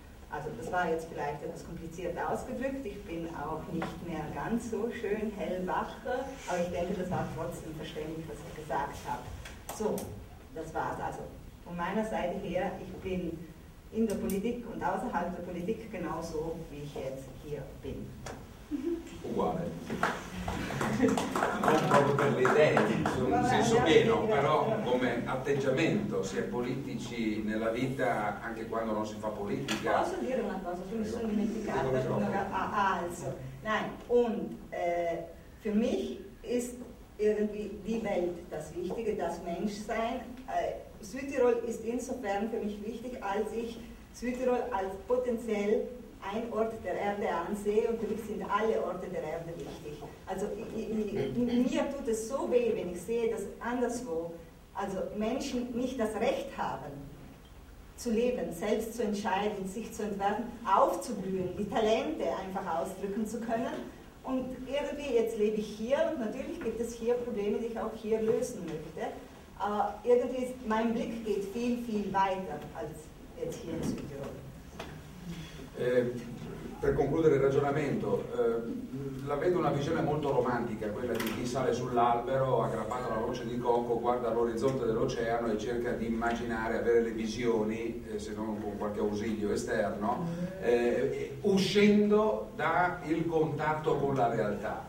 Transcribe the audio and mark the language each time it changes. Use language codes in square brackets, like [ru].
[de] Also das war jetzt vielleicht etwas kompliziert ausgedrückt, ich bin auch nicht mehr ganz so schön hellwach, aber ich denke, das war trotzdem verständlich, was ich gesagt habe. So, das war's also. Von meiner Seite her, ich bin in der Politik und außerhalb der Politik genauso, wie ich jetzt hier bin. [it] Uguale, non proprio per le idee, in un senso pieno, però come atteggiamento, si è politici nella vita anche quando non si fa politica. Posso dire una cosa, mi sono dimenticata, alzo. [de] Nein, und für mich ist irgendwie die Welt das Wichtige, das Menschsein. Südtirol ist insofern für mich wichtig, als ich Südtirol als potenziell ein Ort der Erde ansehe und für mich sind alle Orte der Erde wichtig. Also mir tut es so weh, wenn ich sehe, dass anderswo also Menschen nicht das Recht haben, zu leben, selbst zu entscheiden, sich zu entwerfen, aufzublühen, die Talente einfach ausdrücken zu können. Und irgendwie, jetzt lebe ich hier und natürlich gibt es hier Probleme, die ich auch hier lösen möchte. Aber irgendwie, mein Blick geht viel, viel weiter als jetzt hier in Südtirol. [it] Per concludere il ragionamento, la vedo una visione molto romantica, quella di chi sale sull'albero, aggrappato alla roccia di cocco, guarda l'orizzonte dell'oceano e cerca di immaginare, avere le visioni, se non con qualche ausilio esterno, uscendo dal contatto con la realtà.